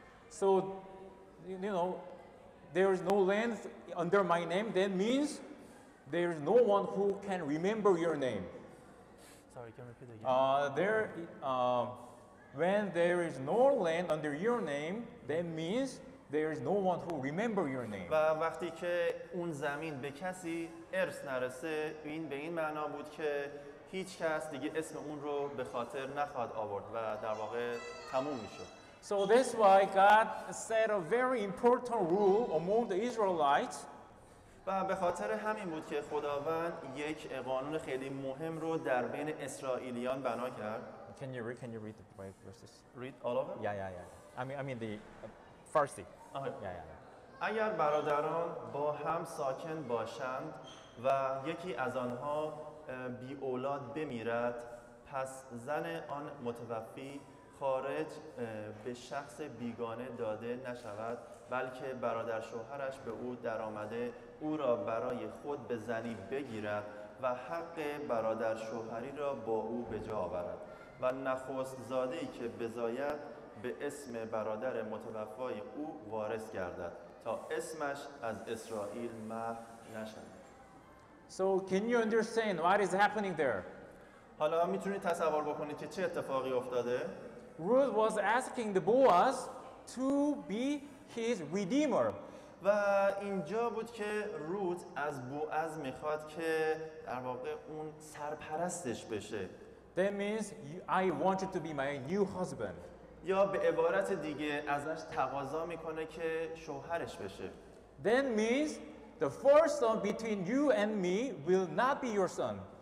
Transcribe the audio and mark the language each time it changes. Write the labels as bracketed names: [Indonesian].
[English] So you know, there is no land under my name. That means there is no one who can remember your name. Sorry, can you repeat again? When there is no land under your name, that means there is no one who remember your name. [Persian] و وقتی که اون زمین به کسی ارث نرسه، این به این معنا بود که هیچ کس دیگه اسم اون رو به خاطر نخواهد آورد و در واقع تموم میشه. [English] So that's why God set a very important rule among the Israelites. [Persian] و به خاطر همین بود که خداوند یک قانون خیلی مهم رو در بین اسرائیلیان بنا کرد. [English] Can you read the five verses? Read all of them? Yeah. I mean the Farsi. Yeah. [Persian] اگر برادران با هم ساکن باشند و یکی از آنها بی اولاد بمیرد، پس زن آن متوفی خارج به شخص بیگانه داده نشود، بلکه برادر شوهرش به او درآمده او را برای خود به زنی بگیرد و حق برادر شوهری را با او به جا آورد و نخست زاده‌ای که بزاید به اسم برادر متوفای او وارث گردد تا اسمش از اسرائیل محو نشود. [English] So can you understand what is happening there? [Persian] حالا میتونید تصور بکنید که چه اتفاقی افتاده؟ [English] Ruth was asking the Boaz to be his redeemer. [Persian] و اینجا بود که روت از بوعز میخواد که در واقع اون سرپرستش بشه. [English] That means I want you to be my new husband. [Persian] یا به عبارت دیگه ازش تقاضا میکنه که شوهرش بشه. [English] That means the first son between you and me will not be your son.